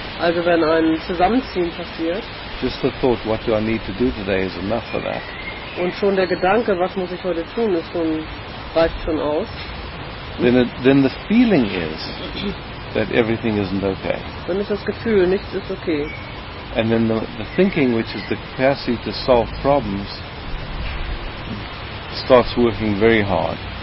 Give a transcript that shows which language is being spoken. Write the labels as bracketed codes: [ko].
[de] Also wenn ein Zusammenziehen passiert. [en] Just the thought, what do I need to do today, is enough for that. [de] Und schon der Gedanke, was muss ich heute tun, ist schon, reicht schon aus. [en] Then the feeling is that everything isn't okay. [de] Dann ist das Gefühl, nichts ist okay. [en] And then the thinking, which is the capacity to solve problems, starts working very hard.